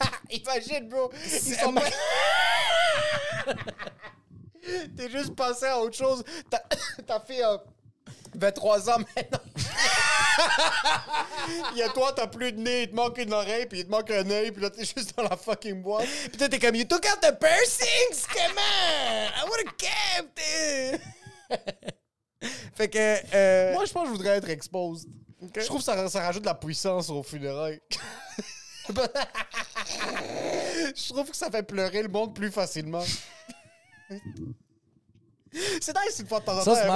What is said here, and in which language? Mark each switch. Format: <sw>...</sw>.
<fr>Imagine, bro! Ils sont pas... T'es juste passé à autre chose. Ta fille a 23 ans maintenant. Il y a toi, t'as plus de nez, il te manque une oreille, puis il te manque un œil, puis là, t'es juste dans la fucking boîte. Puis toi, t'es comme,</fr> <en>you took out the piercings, come on! I would have kept it!</en> <fr>Fait que. Moi, je pense que je voudrais être exposed. Okay. Je trouve que ça rajoute de la puissance au funérail. Je trouve que ça fait pleurer le monde plus facilement. C'est nice une fois de temps en temps.</fr>